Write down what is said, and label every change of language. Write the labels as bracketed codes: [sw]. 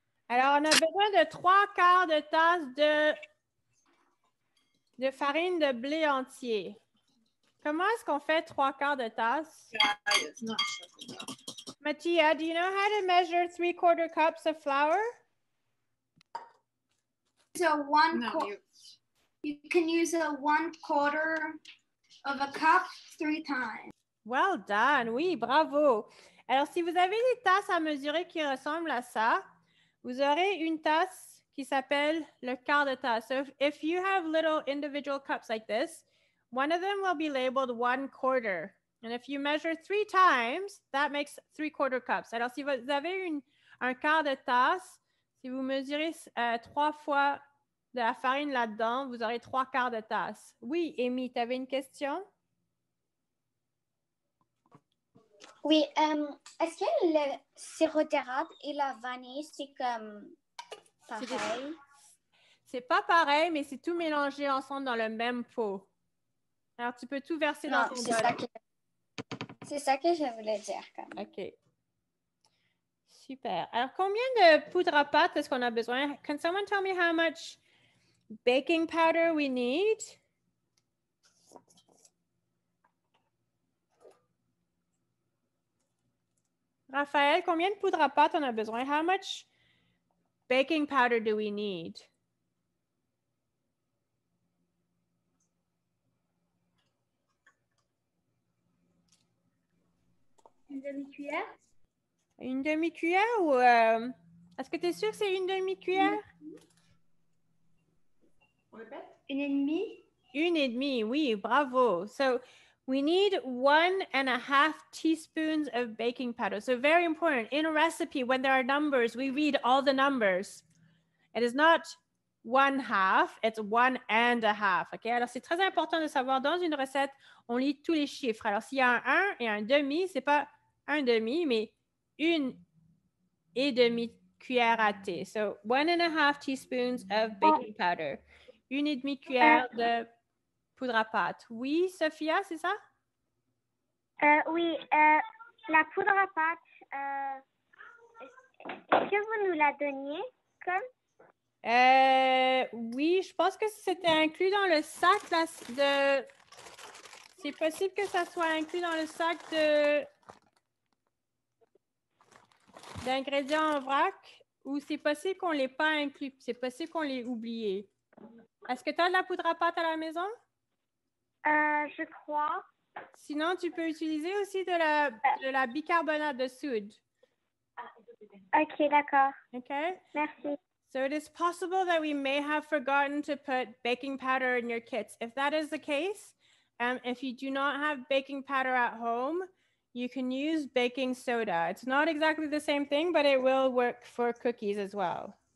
[fr] Alors, on a besoin de 3/4 de tasse de farine de blé entier. Comment est-ce qu'on fait 3/4 de tasse? [en] Mattia, do you know how to measure 3/4 cups of flour? You can use a 1/4 of a cup 3 times. Well done. [fr] Oui, bravo. Alors, si vous avez des tasses à mesurer qui ressemblent à ça, vous aurez une tasse qui s'appelle le quart de tasse. [en] So, if you have little individual cups like this, one of them will be labeled 1/4. And if you measure 3 times, that makes 3/4 cups. [fr] Alors, si vous avez un quart de tasse, si vous mesurez 3 fois de la farine là-dedans, vous aurez 3/4 de tasse. Oui, Amy, tu avais une question? Oui, est-ce que le sirop d'érable et la vanille, c'est comme pareil? C'est pas pareil, mais c'est tout mélangé ensemble dans le même pot. Alors, tu peux tout verser dans ton bol. C'est ça que je voulais dire. OK. Super. Alors, combien de poudre à pâte est-ce qu'on a besoin? [en] Can someone tell me how much baking powder we need? [fr] Raphaël, combien de poudre à pâte on a besoin? [en] How much baking powder do we need? [fr] Une demi-cuillère? Une demi-cuillère ou... Est-ce que tu es sûre que c'est une demi-cuillère? Une et demie? Une et demie, oui, bravo. [en] So, we need 1.5 teaspoons of baking powder. So, very important. In a recipe, when there are numbers, we read all the numbers. It is not 1/2, it's 1.5. Okay? [fr] Alors, c'est très important de savoir, dans une recette, on lit tous les chiffres. Alors, s'il y a un 1 et un demi, c'est pas... un demi, mais une et demi cuillère à thé. [en] So, 1.5 teaspoons of baking powder. [fr] Une et demi cuillère de poudre à pâte. Oui, Sophia, c'est ça? Oui, la poudre à pâte, est-ce que vous nous la donniez comme? Oui, je pense que c'était inclus dans le sac là, de... C'est possible que ça soit inclus dans le sac de... d'ingrédients en vrac ou c'est possible qu'on ne l'ait pas inclus, c'est possible qu'on l'ait oublié. Est-ce que tu as de la poudre à pâte à la maison? Je crois. Sinon, tu peux utiliser aussi de la bicarbonate de soude. OK, d'accord. OK? Merci. [en] So, it is possible that we may have forgotten to put baking powder in your kits. If that is the case, if you do not have baking powder at home, you can use baking soda. It's not exactly the same thing, but it will work for cookies as well.